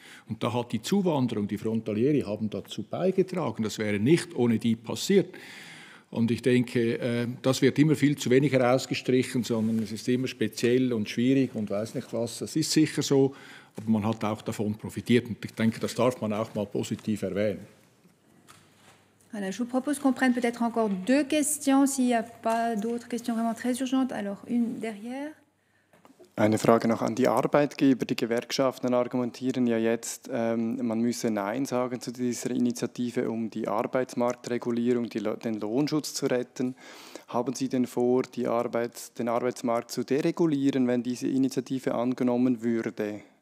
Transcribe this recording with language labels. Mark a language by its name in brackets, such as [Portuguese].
[German] Und da hat die Zuwanderung, die Frontalieri, haben dazu beigetragen. Das wäre nicht ohne die passiert. Und ich denke, das wird immer viel zu wenig herausgestrichen, sondern es ist immer speziell und schwierig und weiß nicht was. Das ist sicher so, aber man hat auch davon profitiert. Und ich denke, das darf man auch mal positiv erwähnen. [French] Voilà, je vous propose qu'on prenne peut-être encore 2 questions, s'il n'y a pas d'autres questions vraiment très urgentes. Alors, une derrière. [German] Eine Frage noch an die Arbeitgeber. Die Gewerkschaften argumentieren ja jetzt, man müsse Nein sagen zu dieser Initiative, um die Arbeitsmarktregulierung, den Lohnschutz zu retten. Haben Sie denn vor, den Arbeitsmarkt zu deregulieren, wenn diese Initiative angenommen würde?